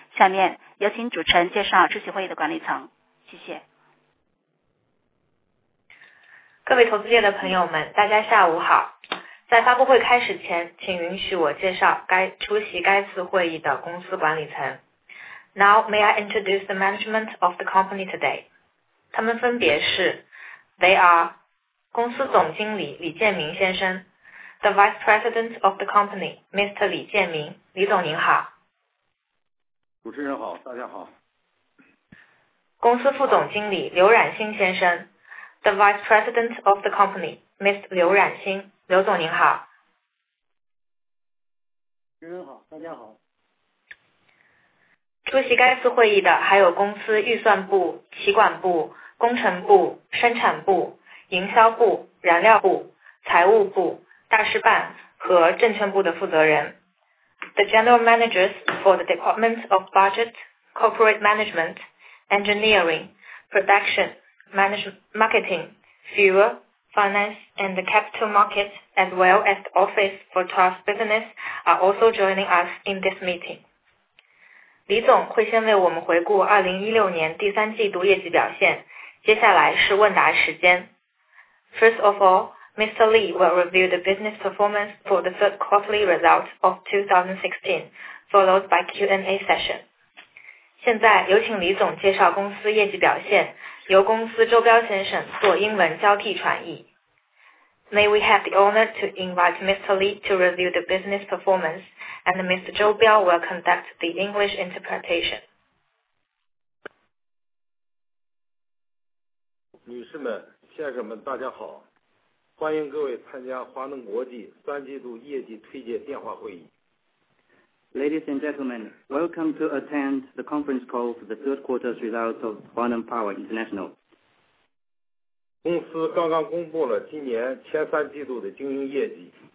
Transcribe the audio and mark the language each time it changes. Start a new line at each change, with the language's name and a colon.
Chinese: 下面有请主持人介绍出席会议的管理层，谢谢。各位投资界的朋友们，大家下午好。在发布会开始前，请允许我介绍出席该次会议的公司管理层。
English: Now may I introduce the management of the company today.
Chinese: 他们分别是
English: They are
Chinese: 公司总经理李建明先生，
English: The Vice President of the company, Mr.
Chinese: 李建明。李总您好。主持人好，大家好。公司副总经理刘冉星先生，
English: The Vice President of the company, Mr.
Chinese: 刘冉星。刘总您好。主持人好，大家好。出席该次会议的还有公司预算部、企管部、工程部、生产部、营销部、燃料部、财务部、大事办和证券部的负责人。
English: The general managers for the Department of Budget, Corporate Management, Engineering, Production, Marketing, Fuel, Finance, and the Capital Market, as well as the Office for Trust Business, are also joining us in this meeting.
Chinese: 李总会先为我们回顾2016年第三季度业绩表现，接下来是问答时间。
English: First of all, Mr. Li will review the business performance for the third quarterly results of 2016, followed by Q&A session.
Chinese: 现在有请李总介绍公司业绩表现，由公司周彪先生做英文交替传译。
English: May we have the honor to invite Mr. Li to review the business performance, and Mr. Zhou Biao will conduct the English interpretation.
Chinese: 女士们、先生们，大家好，欢迎各位参加华能国际三季度业绩推介电话会议。
English: Ladies and gentlemen, welcome to attend the conference call for the third quarter's results of Huaneng Power International.
Chinese: 公司刚刚公布了今年前三季度的经营业绩。